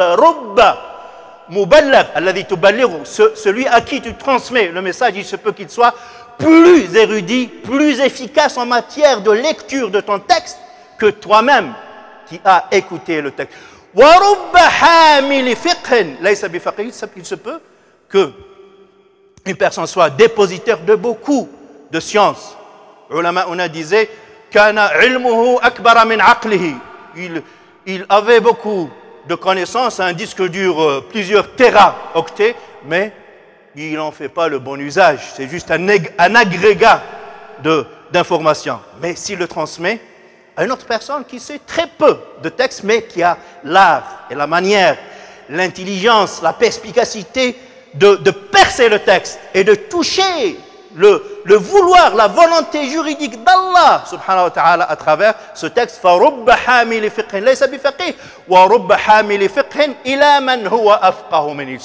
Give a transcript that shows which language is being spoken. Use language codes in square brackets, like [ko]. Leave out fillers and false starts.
[ar] Farubba muballagh alladhi tuballighu, [fr] celui à qui tu transmets le message, il se peut qu'il soit plus érudit, plus efficace en matière de lecture de ton texte que toi-même qui as écouté le texte. [ar] وَرُبَّ حَامِلِ فِقْهٍ لَيْسَ بِفَقْهٍ. [fr] Il se peut qu'une personne soit dépositaire de beaucoup de sciences. Ulama Ouna disait [ar] كَانَ عِلْمُهُ أَكْبَرَ مِنْ عَقْلِهِ. [fr] Il avait beaucoup de connaissances, un disque dur plusieurs téraoctets, mais il n'en fait pas le bon usage, c'est juste un agrégat d'informations. Mais s'il le transmet à une autre personne qui sait très peu de textes, mais qui a l'art et la manière, l'intelligence, la perspicacité de percer le texte et de toucher le vouloir, la volonté juridique d'Allah subhanahu wa ta'ala à travers ce texte, [ar] فَرُبَّ حَامِلِ فِقْهٍ لَيْسَ بِفَقِهٍ وَرُبَّ حَامِلِ فِقْهٍ إِلَى مَنْ هُوَ أَفْقَهُ مِنْ.